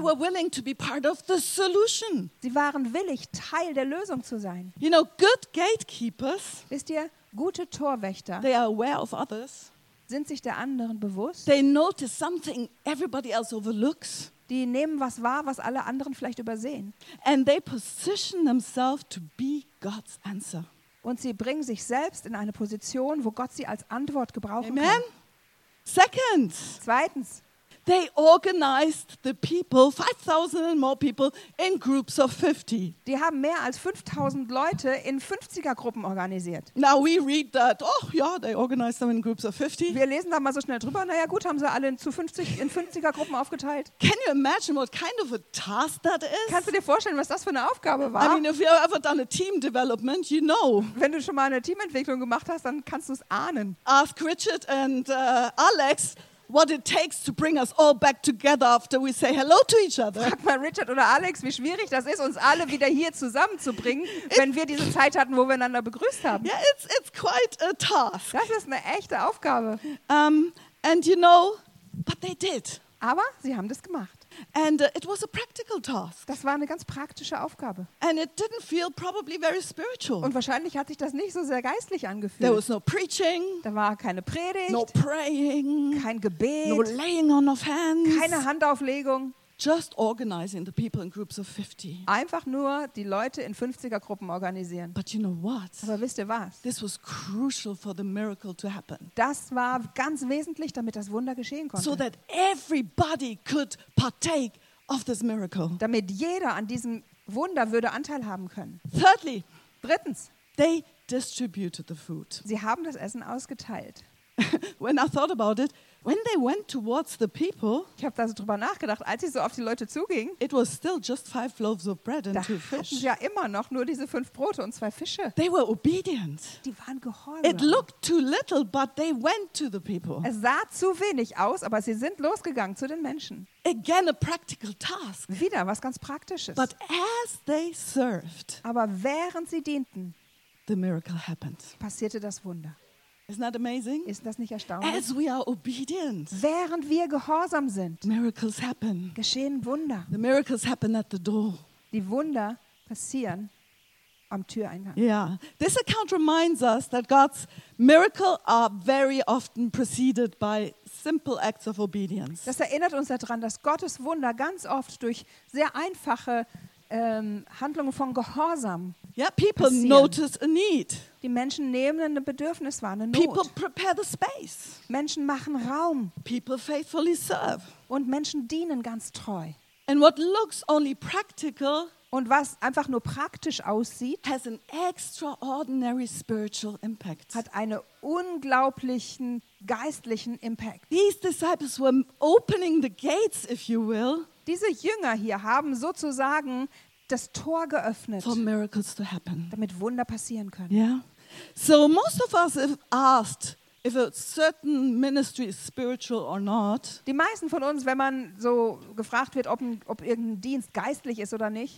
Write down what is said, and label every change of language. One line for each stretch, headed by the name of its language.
English: They were willing to be part of the solution.
German: Sie waren willig, Teil der Lösung zu sein.
English: You know, good gatekeepers.
German: Wisst ihr, gute Torwächter.
English: They are aware of others.
German: Sind sich der anderen bewusst.
English: They notice something everybody else overlooks.
German: Die nehmen was wahr, was alle anderen vielleicht übersehen.
English: And they position themselves to be God's answer.
German: Und sie bringen sich selbst in eine Position, wo Gott sie als Antwort gebrauchen
English: Amen.
German: Kann.
English: Second.
German: Zweitens.
English: They organized the people, 5,000 and more people, in groups of 50.
German: Die haben mehr als 5,000 Leute in 50er Gruppen organisiert.
English: Now we read that, oh ja, yeah, they organized them in groups of 50.
German: Wir lesen da mal so schnell drüber, naja gut, haben sie alle zu 50 in 50er Gruppen aufgeteilt.
English: Can you imagine what kind of a task that is?
German: Kannst du dir vorstellen, was das für eine Aufgabe war?
English: I mean, if you ever done a team development, you know.
German: Wenn du schon mal eine Teamentwicklung gemacht hast, dann kannst du es ahnen.
English: Ask Richard and Alex, what it takes to bring us all back together after we say hello to each other.
German: Frag mal Richard oder Alex, wie schwierig das ist, uns alle wieder hier zusammenzubringen, wenn wir diese Zeit hatten, wo wir einander begrüßt haben.
English: Yeah, it's quite a task.
German: Das ist eine echte Aufgabe.
English: And you know, but they did.
German: Aber sie haben das gemacht.
English: And it was a practical task.
German: Das war eine ganz praktische Aufgabe.
English: And it didn't feel probably very spiritual.
German: Und wahrscheinlich hat sich das nicht so sehr geistlich angefühlt.
English: There was no preaching.
German: Da war keine Predigt.
English: No praying.
German: Kein Gebet.
English: No laying on of hands.
German: Keine Handauflegung.
English: Just organizing the people in groups of 50.
German: Einfach nur die Leute in 50er Gruppen organisieren.
English: But you know what?
German: Aber wisst ihr was?
English: This was crucial for the miracle to happen.
German: Das war ganz wesentlich, damit das Wunder geschehen konnte.
English: So that everybody could partake of this miracle.
German: Damit jeder an diesem Wunder würde Anteil haben können.
English: Thirdly,
German: drittens,
English: they distributed the food.
German: Sie haben das Essen ausgeteilt.
English: When I thought about it, when they went towards the people,
German: ich habe da so drüber nachgedacht, als sie so auf die Leute zugingen,
English: it was still just 5 loaves of bread and 2 fish.
German: Ja, immer noch nur diese 5 Brote und 2 Fische.
English: They were obedient.
German: Die waren gehorsam.
English: It looked too little, but they went to the people.
German: Es sah zu wenig aus, aber sie sind losgegangen zu den Menschen.
English: Again a practical task.
German: Wieder was ganz Praktisches.
English: But as they served,
German: aber während sie dienten,
English: the miracle happened.
German: Passierte das Wunder.
English: Isn't that amazing?
German: Ist das nicht erstaunlich?
English: As we are obedient,
German: während wir gehorsam sind,
English: miracles happen.
German: Geschehen Wunder.
English: The miracles happen at the door.
German: Die Wunder passieren am Türeingang.
English: Yeah, this account reminds us that God's miracles are very often preceded by simple acts of obedience.
German: Das erinnert uns daran, dass Gottes Wunder ganz oft durch sehr einfache Handlungen von Gehorsam.
English: Yeah, people
German: passieren.
English: Notice a need.
German: Die Menschen nehmen ein Bedürfnis wahr, eine Not.
English: People prepare the space.
German: Menschen machen Raum.
English: People faithfully serve.
German: Und Menschen dienen ganz treu.
English: And what looks only practical.
German: Und was einfach nur praktisch aussieht,
English: has an extraordinary spiritual impact.
German: Hat einen unglaublichen geistlichen Impact.
English: These disciples were opening the gates, if you will.
German: Diese Jünger hier haben sozusagen das Tor geöffnet,
English: for miracles to happen.
German: Damit Wunder passieren können.
English: Yeah. So most of us if asked if a certain ministry is spiritual or not.
German: Die meisten von uns, wenn man so gefragt wird, ob irgendein Dienst geistlich ist oder nicht.